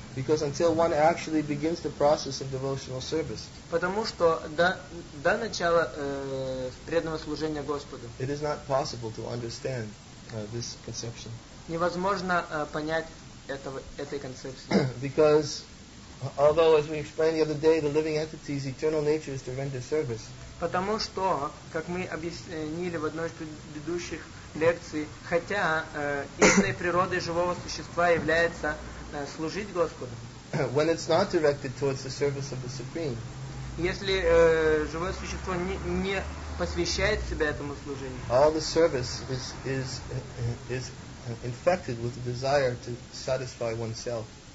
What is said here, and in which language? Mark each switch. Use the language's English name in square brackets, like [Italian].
[English] Because until one actually begins the process of devotional service. [Russian] Потому что до начала преданного служения Господу. [English] It is not possible to understand this conception. [Russian] Невозможно понять этой концепции. [English] Because Although, as we explained the other day, the living entity's eternal nature is to render service. [Russian] Потому что, как мы объяснили в одной из предыдущих лекций, хотя истинной природой живого существа является служить Господу. [English] When it's not directed towards the service of the Supreme. [Russian] Если живое существо не посвящает себя этому служению. [English] All the service is infected with the desire to satisfy oneself.